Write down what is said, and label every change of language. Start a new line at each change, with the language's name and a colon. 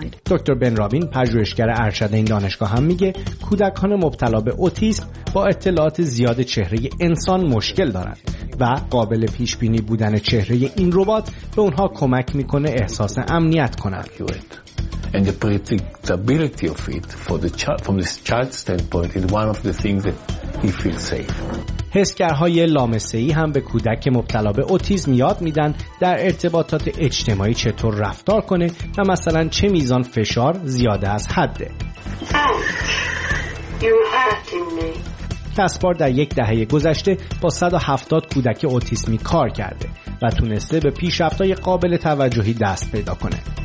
Persian: دکتر بن رابین، پژوهشگر ارشد این دانشگاه، هم میگه کودکان مبتلا به اوتیسم با اطلاعات زیاد چهره انسان مشکل دارند و قابل پیش بینی بودن چهره این ربات به اونها کمک میکنه احساس امنیت کنند.
English: And the predictability of it for the child, from this child's standpoint, is one of the things that he feels safe.
Persian: حسگرهای لامسه‌ای هم به کودک مبتلا به اوتیسم یاد میدن در ارتباطات اجتماعی چطور رفتار کنه و مثلا چه میزان فشار زیاده از حده. کسپار در یک دهه گذشته با 170 کودک اوتیسمی کار کرده و تونسته به پیشرفت‌های قابل توجهی دست پیدا کنه.